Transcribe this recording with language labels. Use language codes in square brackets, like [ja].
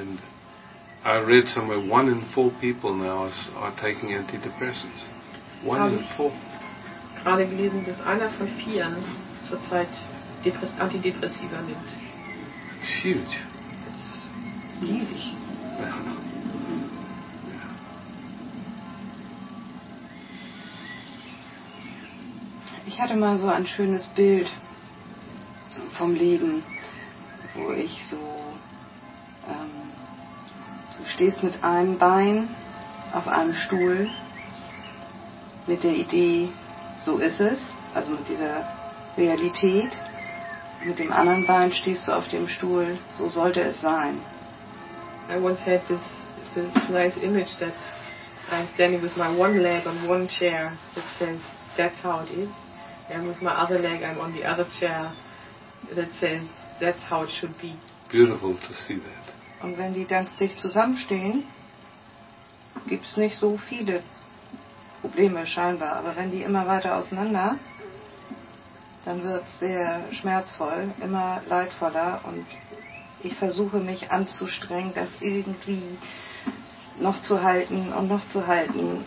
[en] And I read somewhere 1 in 4 people now are taking antidepressants. [de] Gerade gelesen, dass einer von vieren zurzeit Antidepressiva nimmt. [en] It's huge. It's [de] riesig. Ich hatte mal so ein schönes Bild vom Leben, wo ich so, du stehst mit einem Bein auf einem Stuhl, mit der Idee, so ist es, also mit dieser Realität, mit dem anderen Bein stehst du auf dem Stuhl, so sollte es sein. [en] I once had this nice image that I'm standing with my one leg on one chair that says, that's how it is. And with my other leg, I'm on the other chair that says, that's how it should be. Beautiful to see that. [de] Und wenn die ganz dicht zusammenstehen, gibt es nicht so viele Probleme scheinbar. Aber wenn die immer weiter auseinander, dann wird es sehr schmerzvoll, immer leidvoller. Und ich versuche mich anzustrengen, das irgendwie noch zu halten und noch zu halten.